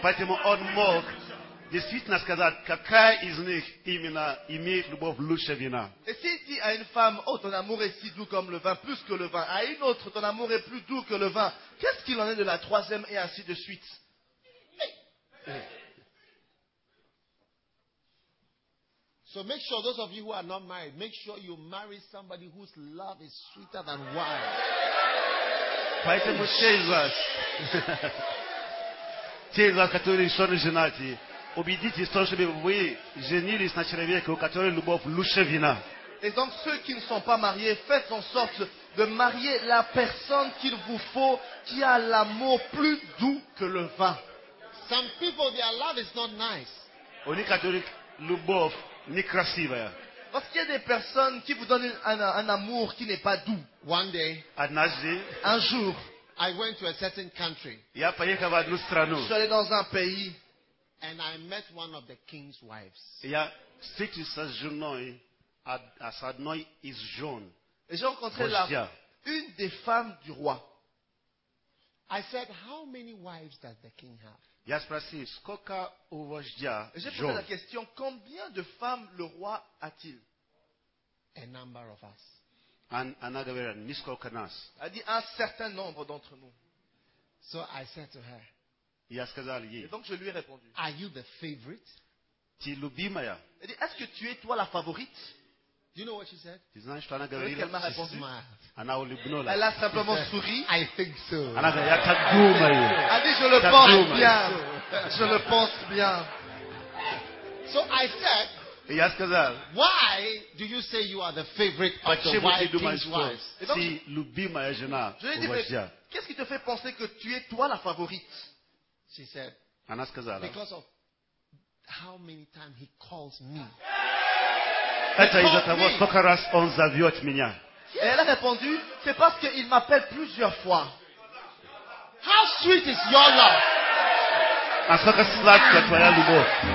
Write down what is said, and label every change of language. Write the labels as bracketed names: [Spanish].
[Russian] Поэтому он мог действительно сказать, какая из них именно имеет любовь лучше вина. Если ты [French] а une femme, oh, ton amour est si doux comme le vin, plus que le vin. À une autre, ton amour est plus doux que le vin. Qu'est-ce qu'il en est de la troisième et ainsi de suite? [English] So make sure those of you who are not married, make sure you marry somebody whose love is sweeter than wine. [Russian] Поэтому те из вас, которые еще не женаты, убедитесь в том, чтобы вы женились на человеке, у которого любовь лучше вина. [French] Et donc ceux qui ne sont pas mariés, faites en sorte de marier la personne qu'il vous faut qui a l'amour plus doux que le vin. [English] Some people, their love is not nice. [Russian] У некоторых любовь некрасивая. [French] Parce qu'il y a des personnes qui vous donnent un amour qui n'est pas doux. [English] One day, [French] un jour, [English] I went to a certain country. [Russian] Я поехал в одну страну. [French] Je suis allé dans un pays. [English] And I met one of the king's wives. [Russian] Я встретил с женой, с одной из жен. [French] Et j'ai rencontré là une des femmes du roi. [English] I said, how many wives does the king have? [Russian] Я спросил, сколько у вождя жен? [French] J'ai posé la question, combien de femmes le roi a-t-il? [English] A number of us. [Russian] Она говорит, несколько нас. [French] Elle dit, un certain nombre d'entre nous. [English] So I said to her, [Russian] я сказал ей. [French] Et donc je lui ai répondu. [English] Are you the favorite? [Russian] Ты любимая? [French] Elle dit, est-ce que tu es toi la favorite? [English] Do you know what she said? [French] Tu sais ce qu'elle m'a répondu? [Russian] Она улыбнулась. [French] Elle a simplement souri. [English] I think so. [Russian] Она говорит, я так думаю. [French] Elle dit, je le pense bien. Je le pense bien. [English] So I said. [Russian] Et я сказал. [English] Why do you say you are the favorite of the king's wives? [Russian] Ты любимая жена. [French] Je lui ai dit, mais qu'est-ce qui te fait penser que tu es toi la favorite? [English] She said, [Russian] Anna сказала, [English] because of how many times he calls me. [Russian] Это из-за того, сколько раз он зовет меня. [French] Et elle a répondu, c'est parce qu'il m'appelle plusieurs fois. [English] How sweet is your love? [Russian] Насколько сладкая твоя любовь?